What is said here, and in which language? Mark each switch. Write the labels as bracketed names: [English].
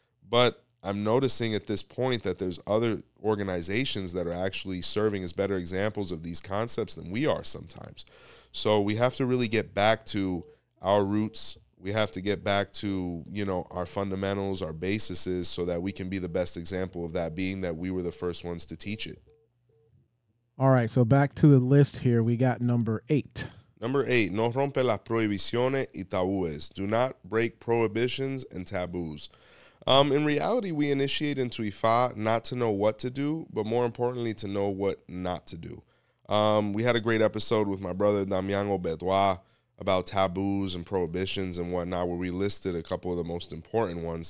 [English] But I'm noticing at this point that there's other organizations that are actually serving as better examples of these concepts than we are sometimes. So we have to really get back to our roots. We have to get back to, you know, our fundamentals, our basis, so that we can be the best example of that, being that we were the first ones to teach it. All right, so back to the list here. We got number eight. Number eight, [Spanish] no rompe las prohibiciones y tabúes. [English] Do not break prohibitions and taboos. In reality, we initiate into Ifa not to know what to do, but more importantly, to know what not to do. We had a great episode with my brother, Damiano Bedwa, about taboos and prohibitions and whatnot, where we listed a couple of the most important ones.